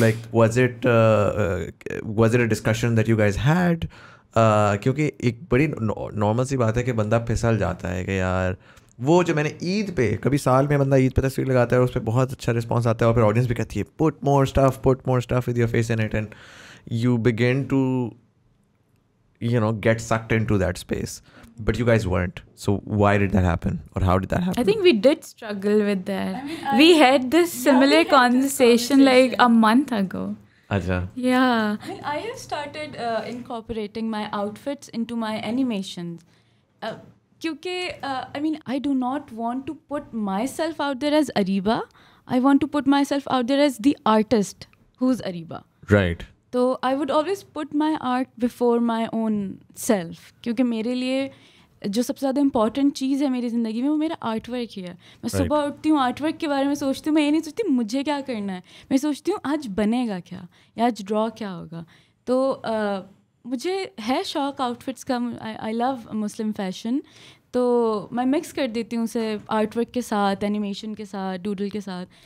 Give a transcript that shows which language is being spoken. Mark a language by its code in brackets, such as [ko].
[en] Like was it a discussion that you guys had? [ur] کیونکہ ایک بڑی نارمل سی بات ہے کہ بندہ پھسل جاتا ہے کہ یار وہ جو میں نے عید پہ کبھی سال میں بندہ عید پہ تصویر لگاتا ہے اور اس پہ بہت اچھا رسپانس آتا ہے اور پھر آڈینس بھی کہتی ہے [en] put more stuff with your face in it and you begin to you know get sucked into that space. But you guys weren't. So why did that happen? Or how did that happen? I think we did struggle with that. I mean, we had this similar conversation like a month ago. [ur] Acha. [en] Yeah. I have started incorporating my outfits into my animations. Because I do not want to put myself out there as Areeba. I want to put myself out there as the artist who's Areeba. Right. So I would always put my art before my own self. Because for me, [ur] جو سب سے زیادہ important چیز ہے میری زندگی میں وہ میرا آرٹ ورک ہی ہے. میں صبح اٹھتی ہوں آرٹ ورک کے بارے میں سوچتی ہوں, میں یہ نہیں سوچتی مجھے کیا کرنا ہے, میں سوچتی ہوں آج بنے گا کیا یا آج ڈرا کیا ہوگا. تو مجھے ہے شوق آؤٹ فٹس کا, [en] I love Muslim fashion, [ur] تو میں مکس کر دیتی ہوں اسے آرٹ ورک کے ساتھ, اینیمیشن کے ساتھ, ڈوڈل کے ساتھ.